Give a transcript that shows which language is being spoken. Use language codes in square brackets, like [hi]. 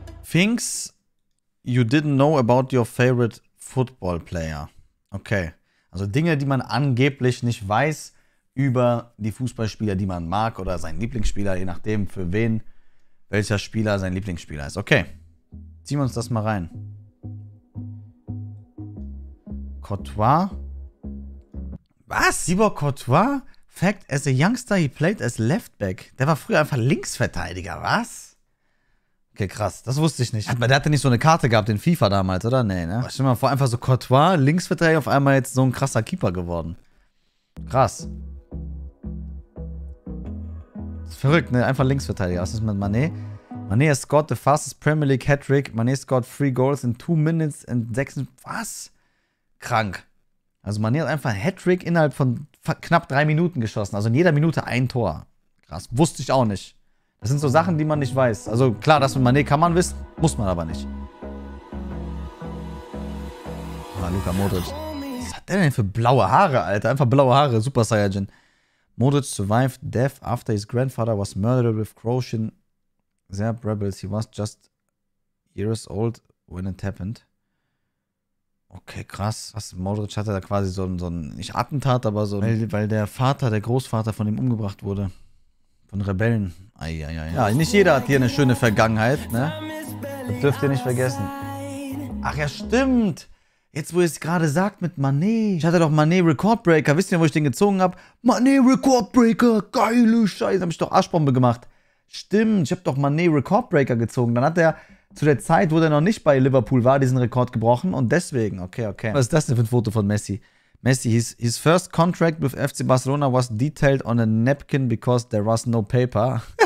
[en] Things you didn't know about your favorite football player. Okay. [de] Also Dinge, die man angeblich nicht weiß über die Fußballspieler, die man mag oder seinen Lieblingsspieler, je nachdem für wen welcher Spieler sein Lieblingsspieler ist. Okay. Ziehen wir uns das mal rein. Courtois? Was? Thibaut Courtois? [en] Fact, as a youngster, he played as left back. [de] Der war früher einfach Linksverteidiger, was? Okay, krass, das wusste ich nicht. Der hatte nicht so eine Karte gehabt in FIFA damals, oder? Nee, ne? Stell dir mal vor, einfach so Courtois, Linksverteidiger, auf einmal jetzt so ein krasser Keeper geworden. Krass. Das ist verrückt, ne? Einfach Linksverteidiger. Was ist mit Mané? [en] Mané has scored the fastest Premier League Hattrick. Mané scored 3 goals in 2 minutes and 6... [de] Was? Krank. Also Mané hat einfach einen Hattrick innerhalb von knapp 3 Minuten geschossen. Also in jeder Minute ein Tor. Krass. Wusste ich auch nicht. Das sind so Sachen, die man nicht weiß. Also klar, das mit Mané kann man wissen, muss man aber nicht. Ah, Luka Modric. Was hat der denn für blaue Haare, Alter? Einfach blaue Haare, Super Saiyajin. [en] Modric survived death after his grandfather was murdered with Croatian Serb rebels. He was just years old when it happened. [de] Okay, krass. Was, Modric hatte da quasi so ein nicht Attentat, aber so ein, weil der Vater, der Großvater von ihm umgebracht wurde. Von Rebellen. Eieiei. Ja, nicht jeder hat hier eine schöne Vergangenheit, ne? Das dürft ihr nicht vergessen. Ach ja, stimmt. Jetzt, wo ihr es gerade sagt mit Mané. Ich hatte doch Mané Recordbreaker. Wisst ihr, wo ich den gezogen habe? Mané Recordbreaker. Geile Scheiße. Hab ich doch Arschbombe gemacht. Stimmt, ich habe doch Mané Recordbreaker gezogen. Dann hat er zu der Zeit, wo er noch nicht bei Liverpool war, diesen Rekord gebrochen. Und deswegen, okay, okay. Was ist das denn für ein Foto von Messi? [en] Messi, his first contract with FC Barcelona was detailed on a napkin because there was no paper.